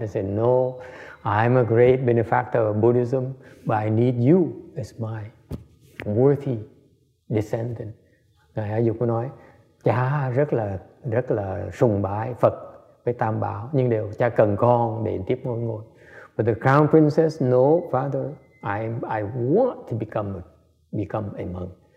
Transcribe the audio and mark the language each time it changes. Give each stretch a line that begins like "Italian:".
English: He said, "No, I'm a great benefactor of Buddhism, but I need you as my worthy descendant."
Vietnamese: Ngài A Dục nói, cha rất là sùng bái Phật với Tam Bảo, nhưng đều cha cần con để tiếp ngôi ngôi.
English: But the crown princess, "No, father, I want to become a monk."